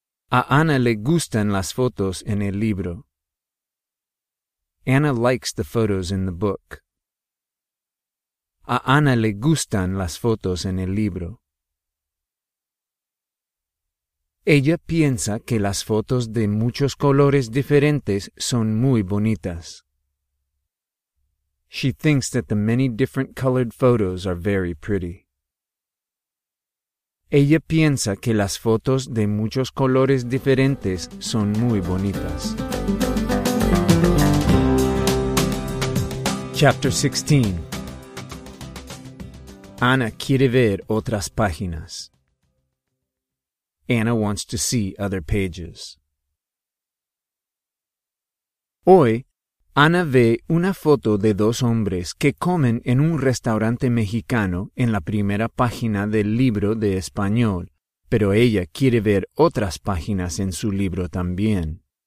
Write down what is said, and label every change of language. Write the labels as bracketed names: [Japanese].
[Spanish] A Anna le gustan las fotos en el libro. [English] Anna likes the photos in the book. [Spanish] A Anna le gustan las fotos en el libro. Ella piensa que las fotos de muchos colores diferentes son muy bonitas. [English] She thinks that the many different colored photos are very pretty. [Spanish] Ella piensa que las fotos de muchos colores diferentes son muy bonitas. [English] Chapter 16. [Spanish] Anna quiere ver otras páginas. [English] Anna wants to see other pages. [Spanish] Hoy, Anna ve una foto de dos hombres que comen en un restaurante mexicano en la primera página del libro de español, pero ella quiere ver otras páginas en su libro también.